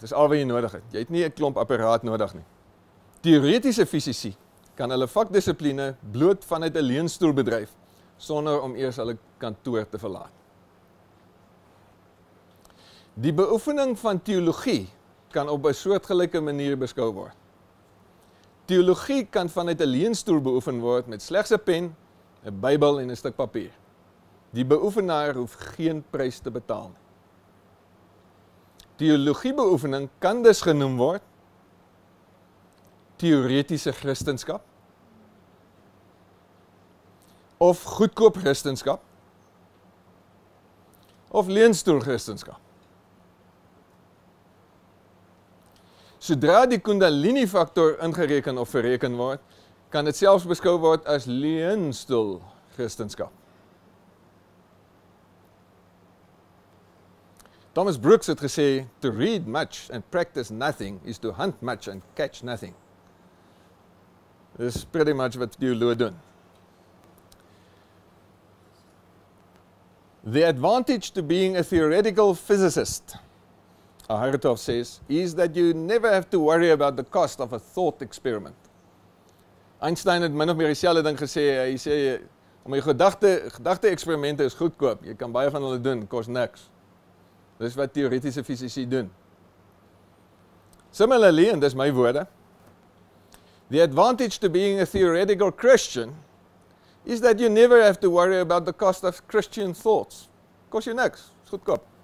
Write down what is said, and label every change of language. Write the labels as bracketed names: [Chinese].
[Afrikaans] Dis al wat jy nodig het. Jy het nie 'n klomp apparaat nodig nie. Theoretiese fisici kan hulle vakdissipline bloot vanuit 'n leenstoel bedryf, sonder om eers hulle kantoor te verlaat. Die beoefening van teologie kan op 'n soortgelyke manier beskou word. Teologie kan vanuit 'n leenstoel beoefen word met slegs 'n pen, 'n Bybel en 'n stuk papier. Die beoefenaar hoef geen prys te betaal nie. Teologiebeoefening kan dus genoem word theoretiese Christenskap of goedkoop Christenskap of leenstoel Christenskap. Sodra die Kundalini-faktor ingereken of verreken word, kan dit selfs beskou word as leenstoel Christenskap. [English] Thomas Brooks [Afrikaans] het gesê, [English] "To read much and practice nothing is to hunt much and catch nothing." [Afrikaans] Dis [English] pretty much [Afrikaans] wat teoloë doen. [English] The advantage to being a theoretical physicist, Aharatov says, is that you never have to worry about the cost of a thought experiment. [Afrikaans] Einstein het min of meer dieselfde ding gesê, hy sê, om jy gedagte experimente is goedkoop, jy kan baie van hulle doen, kos niks. Dis wat theoretische fysici doen. [English] Similarly, [Afrikaans] en dis my woorde, [English] the advantage to being a theoretical Christian is that you never have to worry about the cost of Christian thoughts. [Afrikaans] Kos jy niks, is goedkoop.